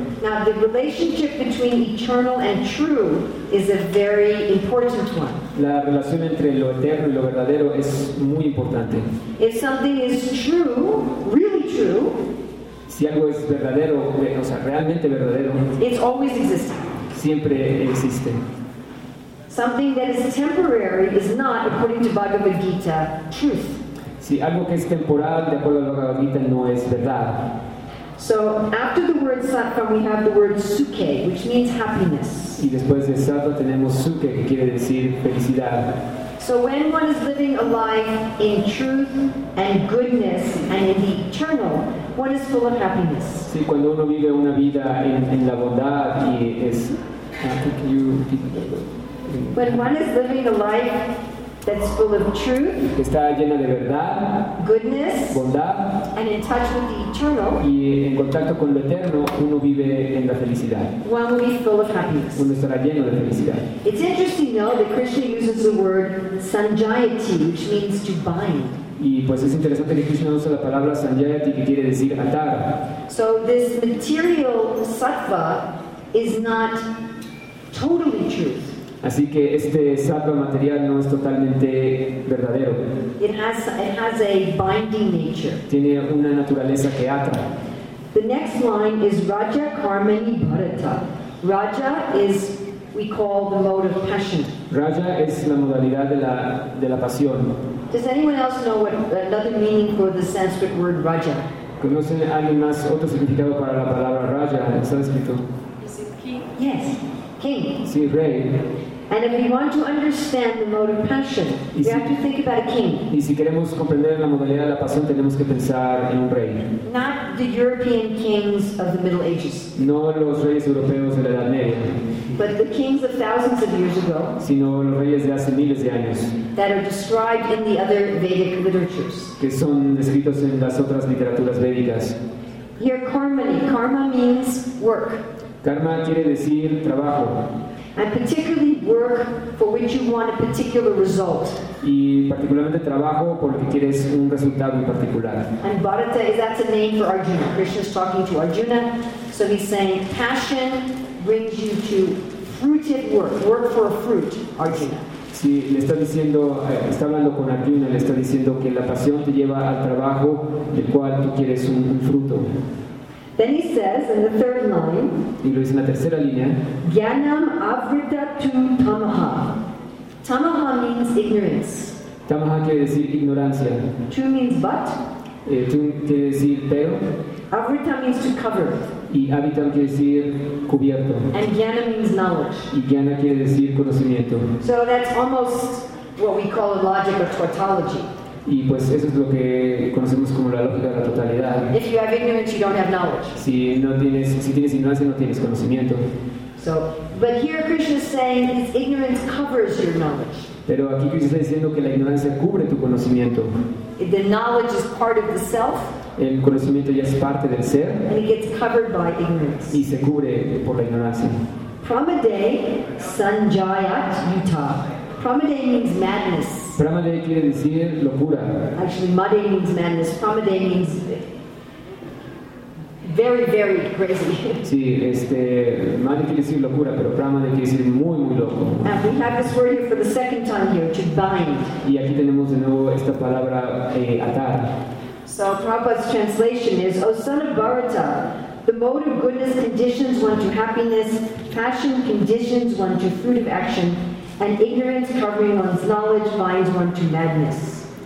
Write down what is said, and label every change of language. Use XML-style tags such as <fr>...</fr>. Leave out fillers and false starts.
<en>Now the relationship between eternal and true is a very important one.</en> <es>La relación entre lo eterno y lo verdadero es muy importante.</es> <en>If something is true, really true.</en> <es>si algo es verdadero, o sea, realmente verdadero,</es> <en>it's always existing.</en> <es>Siempre existe.</es> <en>Something that is temporary is not, according to Bhagavad Gita, truth.</en> <es>Si algo que es temporal, de acuerdo a la Bhagavad Gita, no es verdad.</es> <en>So after the word sattva, we have the word sukhe, which means happiness.</en> <es>Y después de sattva tenemos sukhe, que quiere decir felicidad.</es> <en>So when one is living a life in truth and goodness and in the eternal, one is full of happiness.</en> <es>Sí, cuando uno vive una vida en la bondad y es</es> <en>when one is living a life that's full of truth,</en> <es>que está llena de verdad,</es> <en>goodness,</en> <es>bondad,</es> <en>and in touch with the eternal,</en> <es>y en contacto con lo eterno, uno vive en la felicidad.</es> <en>One will be full of happiness.</en> <es>Uno estará lleno de felicidad.</es> <en>It's interesting, though, that Krishna uses the word sanjayati, which means to bind.</en> <es>Y pues es interesante que Krishna usa la palabra sanjayati, que quiere decir atar.</es> <en>So this material sattva is not totally truth.</en> <es>Así que este sattva material no es totalmente verdadero.</es> <en>It has a binding nature.</en> <es>Tiene una naturaleza que ata.</es> <en>The next line is</en> <sa>Raja Karmani Bharata.</sa> <en>Raja is, we call, the mode of passion.</en> <es>Raja es la modalidad de la pasión.</es> <en>Does anyone else know what another meaning for the Sanskrit word Raja?</en> <es>¿Conocen alguien más otro significado para la palabra Raja en sánscrito?</es> <en>Is it king? Yes, king.</en> <es>Sí, rey.</es> <en>And if we want to understand the mode of passion, we have to think about a king.</en> <es>Y si queremos comprender la modalidad de la pasión, tenemos que pensar en un rey.</es> <en>Not the European kings of the Middle Ages.</en> <es>No los reyes europeos de la Edad Media.</es> <en>But the kings of thousands of years ago.</en> <es>Sino los reyes de hace miles de años.</es> <en>That are described in the other Vedic literatures.</en> <es>Que son descritos en las otras literaturas védicas.</es> <en>Here, karmani. Karma means work.</en> <es>Karma quiere decir trabajo.</es> <en>And particularly work for which you want a particular result.</en> <es>Y particularmente trabajo porque quieres un resultado en particular.</es> <en>And Bharata, that's a name for Arjuna. Krishna's talking to Arjuna. So he's saying, passion brings you to fruited work. Work for a fruit, Arjuna.</en> <es>Sí, le está diciendo, está hablando con Arjuna, le está diciendo que la pasión te lleva al trabajo del cual tú quieres un fruto.</es> <en>Then he says in the third line.</en> <es>Y lo dice en la tercera línea.</es> <sa>Gyanam avrita tu tamaha.</sa> <en>Tamaha means ignorance.</en> <es>Tamaha quiere decir ignorancia.</es> <en>Tu means but.</en> <es>Tu quiere decir pero.</es> <en>Avrita means to cover.</en> <es>Y avitam quiere decir cubierto.</es> <en>And gyana means knowledge.</en> <es>Y gyana quiere decir conocimiento.</es> <en>So that's almost what we call a logic of tautology.</en> <es>Y pues eso es lo que conocemos como la lógica de la totalidad.</es> <en>If you have ignorance, you don't have knowledge.</en> <es>Si tienes ignorancia, no tienes conocimiento.</es> <en>So, but here Krishna is saying his ignorance covers your knowledge.</en> <es>Pero aquí Krishna está diciendo que la ignorancia cubre tu conocimiento.</es> <en>The knowledge is part of the self.</en> <es>El conocimiento ya es parte del ser.</es> <en>And it gets covered by ignorance.</en> <es>Y se cubre por la ignorancia.</es> <sa>Pramaday sanjayat yuta.</sa> <en>Pramaday means madness.</en> <es>Pramaday quiere decir locura.</es> <en>Actually, Maday means madness. Pramaday means very, very crazy.</en> <es>Sí, Maday quiere decir locura, pero Pramaday quiere decir muy, muy loco.</es> <en>And we have this word here for the second time here, to bind.</en> <es>Y aquí tenemos de nuevo esta palabra, atar.</es> <en>So Prabhupada's translation is, O son of Bharata, the mode of goodness conditions one to happiness, passion conditions one to fruit of action, and ignorance covering one's knowledge binds one to madness.</en>